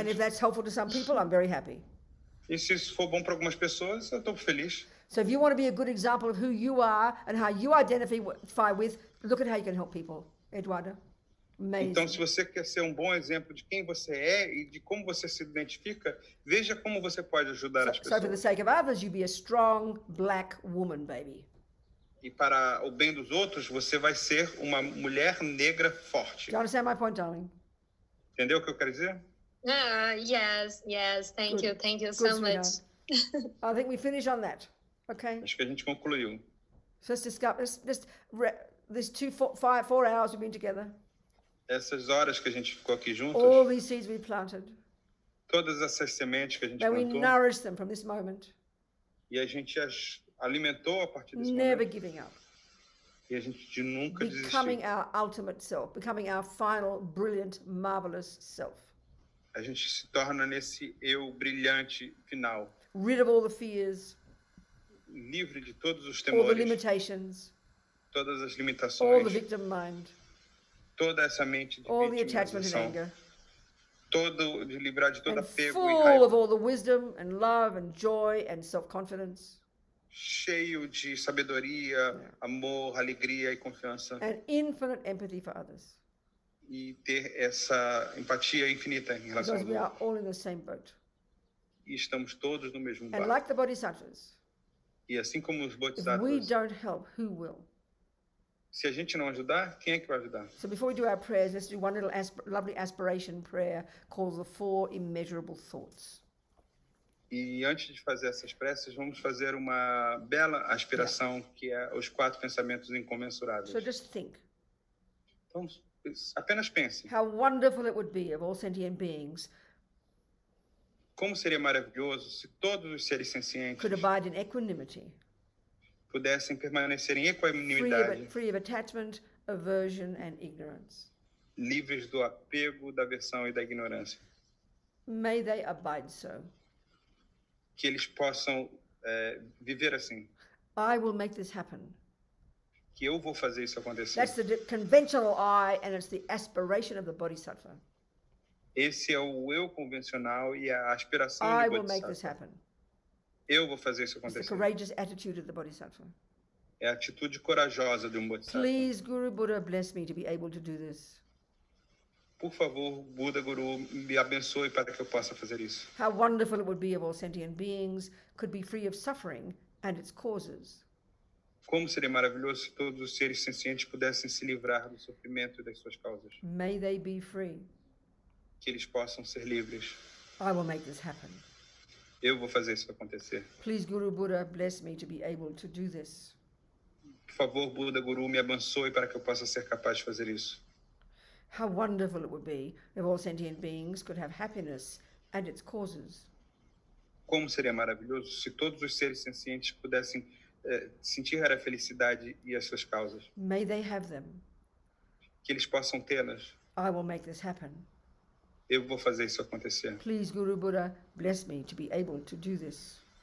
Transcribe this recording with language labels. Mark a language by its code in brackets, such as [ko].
[en] And if that's helpful to some people, I'm very happy. [pt] E se isso for bom para algumas pessoas, eu estou feliz. [en] So if you want to be a good example of who you are and how you identify with, look at how you can help people, Eduardo. Amazing. [pt] Então, se você quer ser um bom exemplo de quem você é e de como você se identifica, veja como você pode ajudar as pessoas. [en] So for the sake of others, you be a strong black woman, baby. [pt] E para o bem dos outros, você vai ser uma mulher negra forte. [en] Do you understand my point, darling? [pt] Entendeu o que eu quero dizer? [en] Yes. Thank you so much. I think we finish on that. Okay. [pt] Acho que a gente concluiu. [en] So let's discuss this 2-4 hours we've been together. [pt] Essas horas que a gente ficou aqui juntos. [en] All these seeds we planted. [pt] Todas essas sementes que a gente plantou. [en] And we nourish them from this moment. [pt] E a gente as alimentou a partir desse [en] never [pt] momento. [en] Giving up. [pt] E a gente de nunca [en] becoming [pt] desistiu. [en] Becoming our ultimate self. Becoming our final, brilliant, marvelous self. [pt] A gente se torna nesse eu brilhante final. [en] Rid of all the fears. [pt] Livre de todos os temores. [en] All the limitations. [pt] Todas as limitações. [en] All the victim mind. [pt] Toda essa mente de [en] all the attachment and anger. [pt] Todo, de livrar de todo [en] and [pt] apego [en] full [pt] e raiva. [en] Of all the wisdom and love and joy and self-confidence. [pt] Cheio de sabedoria, amor, alegria e confiança. [en] And infinite empathy for others. [pt] E ter essa empatia infinita em relação [en] because [pt] ao outro. [en] We are all in the same boat. [pt] E estamos todos no mesmo [en] and [pt] barco. [en] Like the bodhisattvas, [pt] e assim como os bodhisattvas. [en] If we don't help, who will? [pt] Se a gente não ajudar, quem é que vai ajudar? [en] So before we do our prayers, let's do one little lovely aspiration prayer called the four immeasurable thoughts. [pt] E antes de fazer essas preces, vamos fazer uma bela aspiração, que é os quatro pensamentos incomensuráveis. [en] So just think. [pt] Então, apenas pense. [en] How wonderful it would be of all sentient beings. [pt] Como seria maravilhoso se todos os seres sencientes [en] could abide in equanimity. [pt] Pudessem permanecer em equanimidade. [en] Free of attachment, aversion and ignorance. [pt] Livres do apego, da aversão e da ignorância. [en] May they abide so. [pt] Que eles possam viver assim. [en] I will make this happen. [pt] Que eu vou fazer isso acontecer. [en] That's the conventional I and it's the aspiration of the bodhisattva. [pt] Esse é o eu convencional e a aspiração do [en] bodhisattva. I will make this happen. [pt] Eu vou fazer isso acontecer. [en] It's the courageous attitude of the bodhisattva. [pt] É a atitude corajosa de bodhisattva. [en] Please, Guru Buddha, bless me to be able to do this. [pt] Por favor, Buda Guru, me abençoe para que eu possa fazer isso. [en] How wonderful it would be if all sentient beings could be free of suffering and its causes. [pt] Como seria maravilhoso se todos os seres sencientes pudessem se livrar do sofrimento e das suas causas. [en] May they be free. [pt] Que eles possam ser livres. [en] I will make this happen. [pt] Eu vou fazer isso acontecer. [en] Please, Guru Buddha, bless me to be able to do this. [pt] Por favor, Buda Guru, me abençoe para que eu possa ser capaz de fazer isso. [en] How wonderful it would be if all sentient beings could have happiness and its causes. [pt] Como seria maravilhoso se todos os seres sencientes pudessem sentir a felicidade e as suas causas. [en] May they have them. [pt] Que eles possam tê-las. [en] I will make this happen. [pt] Eu vou fazer isso acontecer. [en] Please, Guru Buddha, bless me to be able to do this.